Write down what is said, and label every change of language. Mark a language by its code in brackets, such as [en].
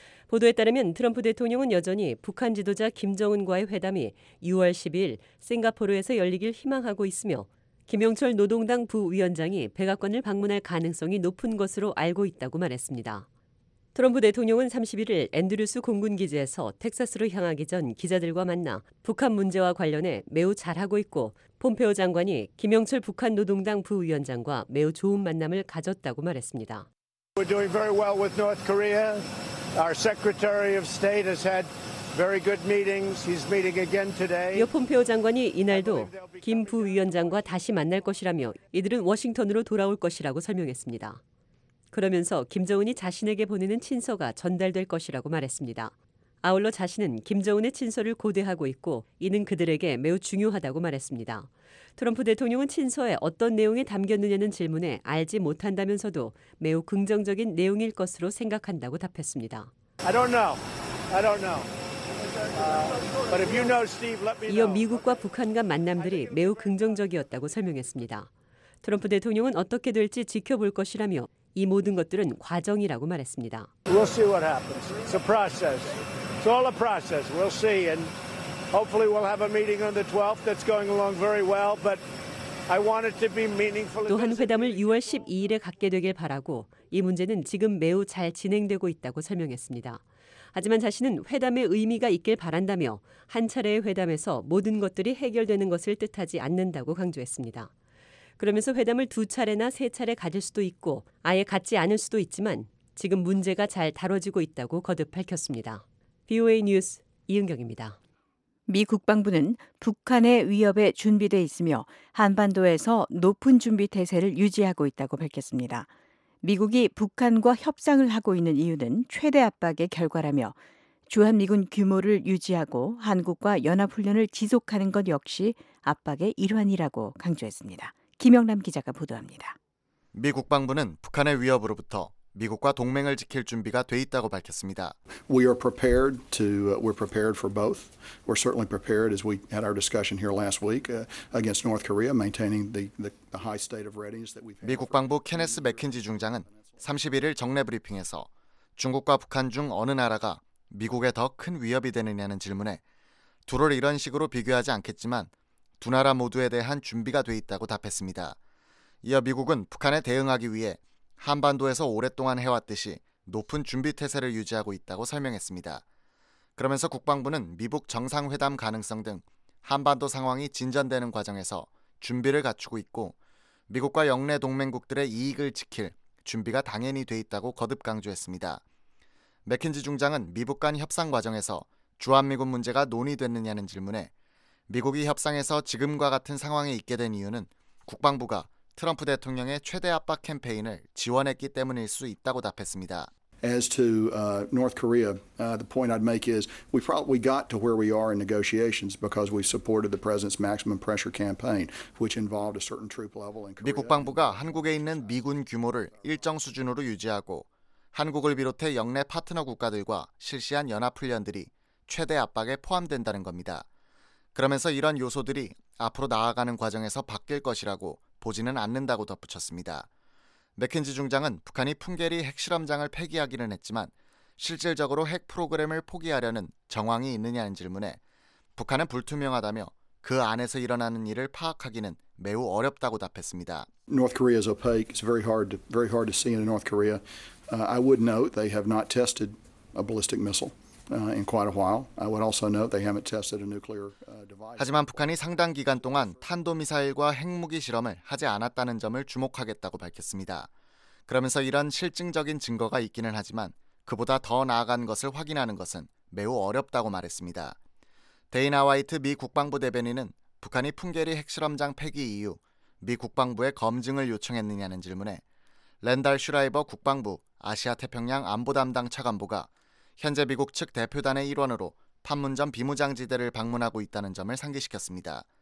[ko] 보도에 따르면 트럼프 대통령은 여전히 북한 지도자 김정은과의 회담이 6월 12일 싱가포르에서 열리길 희망하고 있으며 김영철 노동당 부위원장이 백악관을 방문할 가능성이 높은 것으로 알고 있다고 말했습니다. 트럼프 대통령은 31일 앤드류스 공군기지에서 텍사스로 향하기 전 기자들과 만나 북한 문제와 관련해 매우 잘하고 있고 폼페오 장관이 김영철 북한 노동당 부위원장과 매우 좋은 만남을 가졌다고 말했습니다. [en] We're doing very well with North Korea. Our Secretary of State has had very good meetings. He's meeting again today. [ko] 이어 폼페오 장관이 이날도 김 부위원장과 다시 만날 것이라며 이들은 워싱턴으로 돌아올 것이라고 설명했습니다. 그러면서 김정은이 자신에게 보내는 친서가 전달될 것이라고 말했습니다. 아울러 자신은 김정은의 친서를 고대하고 있고 이는 그들에게 매우 중요하다고 말했습니다. 트럼프 대통령은 친서에 어떤 내용이 담겼느냐는 질문에 알지 못한다면서도 매우 긍정적인 내용일 것으로 생각한다고 답했습니다. [en] I don't know. I don't know. But if you know Steve, let me know. [ko] 이어 미국과 북한 간 만남들이 매우 긍정적이었다고 설명했습니다. 트럼프 대통령은 어떻게 될지 지켜볼 것이라며 이 모든 것들은 과정이라고 말했습니다. [en] We'll see what happens. It's a process. It's all a process. We'll see and hopefully we'll have a meeting on the 12th that's going along very well, but I want it to be meaningful. [ko] 또한 회담을 6월 12일에 갖게 되길 바라고 이 문제는 지금 매우 잘 진행되고 있다고 설명했습니다. 하지만 자신은 회담의 의미가 있길 바란다며 한 차례의 회담에서 모든 것들이 해결되는 것을 뜻하지 않는다고 강조했습니다. 그러면서 회담을 두 차례나 세 차례 가질 수도 있고 아예 갖지 않을 수도 있지만 지금 문제가 잘 다뤄지고 있다고 거듭 밝혔습니다. VOA 뉴스 이은경입니다. 미 국방부는 북한의 위협에 준비돼 있으며 한반도에서 높은 준비 태세를 유지하고 있다고 밝혔습니다. 미국이 북한과 협상을 하고 있는 이유는 최대 압박의 결과라며 주한미군 규모를 유지하고 한국과 연합훈련을 지속하는 것 역시 압박의 일환이라고 강조했습니다. 김영남 기자가 보도합니다. 미 국방부는 북한의 위협으로부터 미국과 동맹을 지킬 준비가 돼 있다고 밝혔습니다. [en] We're prepared for both. We're certainly prepared as we had our discussion here last week against North Korea, maintaining the high state of readiness that we've had. [ko] 미 국방부 케네스 맥킨지 중장은 31일 정례 브리핑에서 중국과 북한 중 어느 나라가 미국에 더 큰 위협이 되느냐는 질문에 둘을 이런 식으로 비교하지 않겠지만 두 나라 모두에 대한 준비가 돼 있다고 답했습니다. 이어 미국은 북한에 대응하기 위해 한반도에서 오랫동안 해왔듯이 높은 준비태세를 유지하고 있다고 설명했습니다. 그러면서 국방부는 미북 정상회담 가능성 등 한반도 상황이 진전되는 과정에서 준비를 갖추고 있고 미국과 영내 동맹국들의 이익을 지킬 준비가 당연히 돼 있다고 거듭 강조했습니다. 맥킨지 중장은 미북 간 협상 과정에서 주한미군 문제가 논의됐느냐는 질문에 미국이 협상에서 지금과 같은 상황에 있게 된 이유는 국방부가 트럼프 대통령의 최대 압박 캠페인을 지원했기 때문일 수 있다고 답했습니다. [en] As to North Korea, the point I'd make is we probably got to where we are in negotiations because we supported the president's maximum pressure campaign, which involved a certain troop level in Korea. [ko] 미 국방부가 한국에 있는 미군 규모를 일정 수준으로 유지하고 한국을 비롯해 영내 파트너 국가들과 실시한 연합 훈련들이 최대 압박에 포함된다는 겁니다. 그러면서 이런 요소들이 앞으로 나아가는 과정에서 바뀔 것이라고 보지는 않는다고 덧붙였습니다. 맥킨지 중장은 북한이 풍계리 핵실험장을 폐기하기는 했지만 실질적으로 핵 프로그램을 포기하려는 정황이 있느냐는 질문에 북한은 불투명하다며 그 안에서 일어나는 일을 파악하기는 매우 어렵다고 답했습니다. [en] North Korea is opaque. It's very hard to see in North Korea. I would note they have not tested a ballistic missile. In quite a while. I would also note they haven't tested a nuclear device. [ko] 하지만 북한이 상당 기간 동안 탄도미사일과 핵무기 실험을 하지 않았다는 점을 주목하겠다고 밝혔습니다. 그러면서 이런 실증적인 증거가 있기는 하지만 그보다 더 나아간 것을 확인하는 것은 매우 어렵다고 말했습니다. 데이나 화이트 미 국방부 대변인은 북한이 풍계리 핵실험장 폐기 이후 미 국방부에 검증을 요청했느냐는 질문에 랜달 슈라이버 국방부 아시아태평양 안보 담당 차관보가 현재 미국 측 대표단의 일원으로 판문점 비무장지대를 방문하고 있다는 점을 상기시켰습니다.